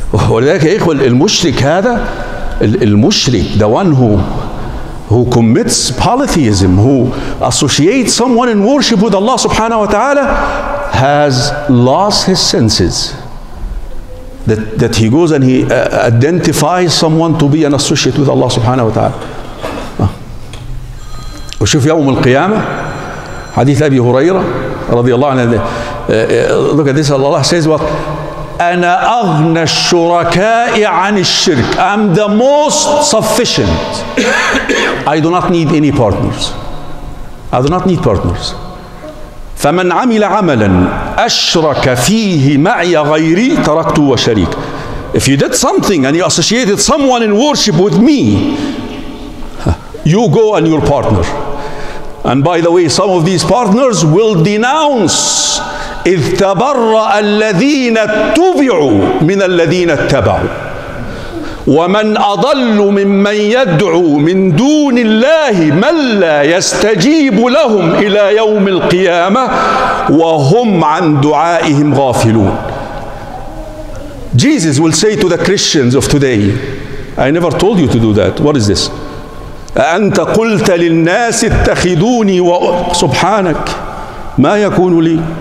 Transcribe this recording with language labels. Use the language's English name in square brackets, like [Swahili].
[Arabic] ولذلك يا إخوة المشرك هذا, المشرك, [English] the one who commits polytheism, who associates someone in worship with Allah سبحانه وتعالى, has lost his senses. That he goes and he identifies someone to be an associate with Allah سبحانه وتعالى. [Arabic] وشوف يوم القيامة حديث أبي هريرة رضي الله عنه. [English] Look at this. Allah says what? [Arabic] أنا أغنى الشركاء عن الشرك. [English] I'm the most sufficient. I do not need any partners. I do not need partners. [Arabic] فمن عمل عملا أشرك فيه معي غيري تركته وشريك. [English] If you did something and you associated someone in worship with me, you go and your partner. And by the way, some of these partners will denounce. [Arabic] إذ تبرأ الذين اتبعوا من الذين اتبعوا ومن أضل ممن يدعو من دون الله من لا يستجيب لهم إلى يوم القيامة وهم عن دعائهم غافلون. [English] Jesus will say to the Christians of today, I never told you to do that. What is this? [Arabic] أنت قلت للناس اتخذوني وسبحانك ما يكون لي.